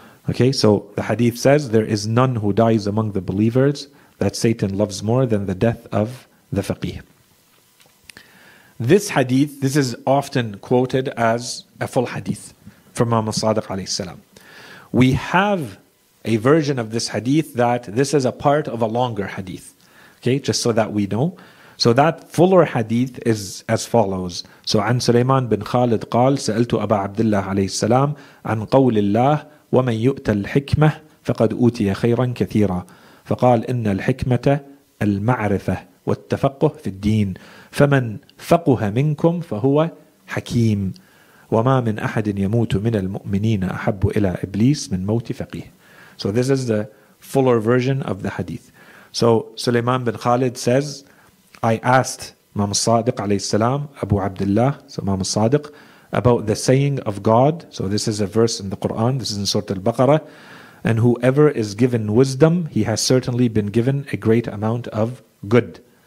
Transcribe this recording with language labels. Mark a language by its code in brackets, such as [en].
[en] Okay, so the hadith says, there is none who dies among the believers that Satan loves more than the death of the faqih. This hadith, this is often quoted as a full hadith from Imam al-Sadiq alayhi salam. We have a version of this hadith that this is a part of a longer hadith. Okay, just so that we know. So that fuller hadith is as follows. [ar] So, عن سليمان بن خالد قال سألت أبا عبد الله عليه السلام عن قول الله ومن يؤتى الحكمة فقد أوتي خيرا كثيرا فقال إن الحكمة المعرفة والتفقه في الدين فمن فقه منكم فهو حكيم وما من أحد يموت من المؤمنين أحب إلى إبليس من موت فقيه. [en] So this is the fuller version of the hadith. So Sulaiman bin Khalid says, I asked Imam al-Sadiq alayhi salam, Abu Abdullah, so Imam al-Sadiq, about the saying of God. So this is a verse in the Quran, this is in Surah Al-Baqarah. And whoever is given wisdom, he has certainly been given a great amount of good.